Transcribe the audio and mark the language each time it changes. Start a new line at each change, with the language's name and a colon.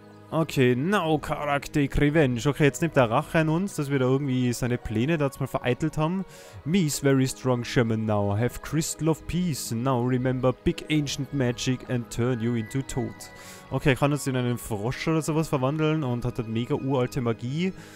German: Okay, Now Karaktik Revenge. Okay, jetzt nimmt der Rache an uns, dass wir da irgendwie seine Pläne da jetzt mal vereitelt haben.
English: Me's very strong shaman now. Have crystal of peace. Now remember big ancient magic and turn you into toad.
German: Okay, kann uns in einen Frosch oder sowas verwandeln und hat dann mega uralte Magie.